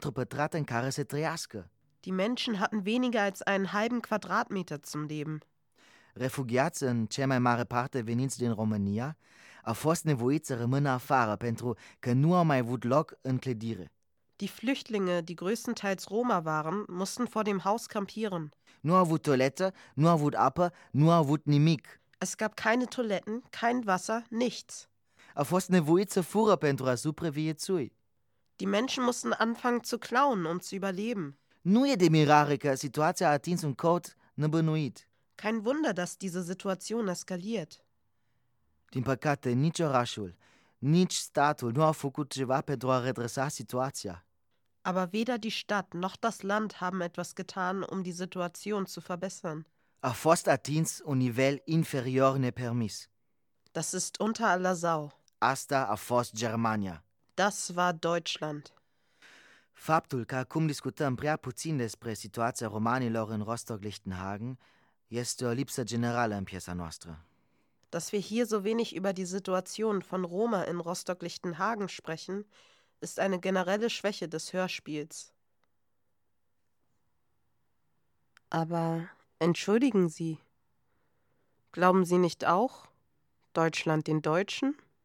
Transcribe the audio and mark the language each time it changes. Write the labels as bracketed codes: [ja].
[de] Die Menschen hatten weniger als einen halben Quadratmeter zum Leben. [ro] Refugiați în cea mai mare parte veniți din România au fost nevoiți să rămână afară pentru că nu au mai avut loc în clădire. [de] Die Flüchtlinge, die größtenteils Roma waren, mussten vor dem Haus kampieren. [ro] Nu avut toilette, nu avut apă, nu avut nimic. [de] Es gab keine Toiletten, kein Wasser, nichts. [ro] A fost nevoit să fură pentru a supraviețui. [de] Die Menschen mussten anfangen zu klauen, um zu überleben. [ro] Nu e de mirare că situația a atins un cot nebănuit. [de] Kein Wunder, dass diese Situation eskaliert. [ro] Din păcate, nici orașul, nici statul nu a făcut ceva pentru a redresa situația. [de] Aber weder die Stadt noch das Land haben etwas getan, um die Situation zu verbessern. [ro] A fost atins un nivel inferior nepermis. [de] Das ist unter aller Sau. [ro] Asta a fost Germania. [de] Das war Deutschland. [ro] Faptul că acum discutăm prea puțin despre situația romanilor în Rostock-Lichtenhagen este o lipsă generală în piesa noastră. [de] Dass wir hier so wenig über die Situation von Roma in Rostock-Lichtenhagen sprechen, ist eine generelle Schwäche des Hörspiels. Aber entschuldigen Sie, glauben Sie nicht auch, Deutschland den Deutschen?